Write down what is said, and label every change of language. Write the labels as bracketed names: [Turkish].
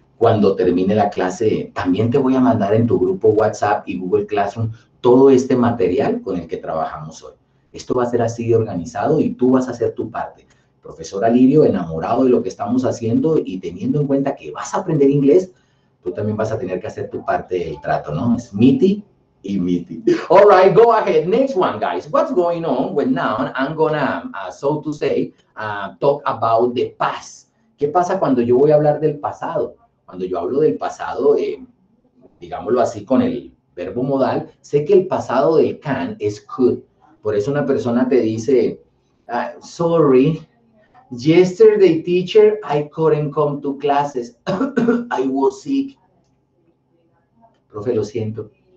[Spanish] Cuando termine la clase, también te voy a mandar en tu grupo WhatsApp y Google Classroom todo este material con el que trabajamos hoy. Esto va a ser así organizado y tú vas a hacer tu parte. Profesor Alirio, enamorado de lo que estamos haciendo y teniendo en cuenta que vas a aprender inglés, tú también vas a tener que hacer tu parte del trato, ¿no? Es miti y miti. [English] All right, go ahead. Next one, guys. What's going on when now I'm gonna, so to say, talk about the past? [Spanish] ¿Qué pasa cuando yo voy a hablar del pasado? Cuando yo hablo del pasado, digámoslo así, con el verbo modal, sé que el pasado del can es could. Por eso una persona te dice, [English] sorry, yesterday, teacher, I couldn't come to classes. I was sick. [Spanish] Profe, lo siento.